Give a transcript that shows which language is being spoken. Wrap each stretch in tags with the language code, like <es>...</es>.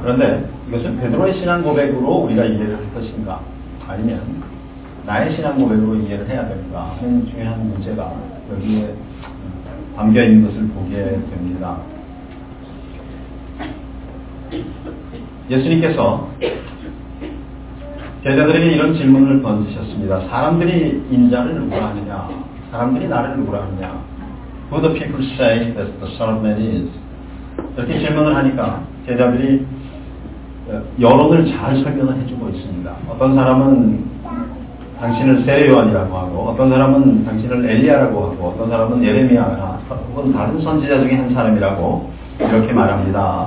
<ko>그런데 이것은 베드로의 신앙 고백으로 우리가 이해를 할 것인가 아니면 나의 신앙 고백으로 이해를 해야 될까 하는 중요한 문제가 여기에 담겨있는 것을 보게 됩니다. 예수님께서 제자들에게 이런 질문을 던지셨습니다. 사람들이 인자를 누구라 하느냐? 사람들이 나를 누구라 하느냐?</ko> <en>Who the people say that the Son of Man is?</en> <ko>이렇게 질문을 하니까 제자들이 여론을 잘 설명을 해주고 있습니다. 어떤 사람은 당신을 세례요한이라고 하고 어떤 사람은 당신을 엘리야라고 하고 어떤 사람은 예레미야나 혹은 다른 선지자 중에 한 사람이라고 이렇게 말합니다.</ko>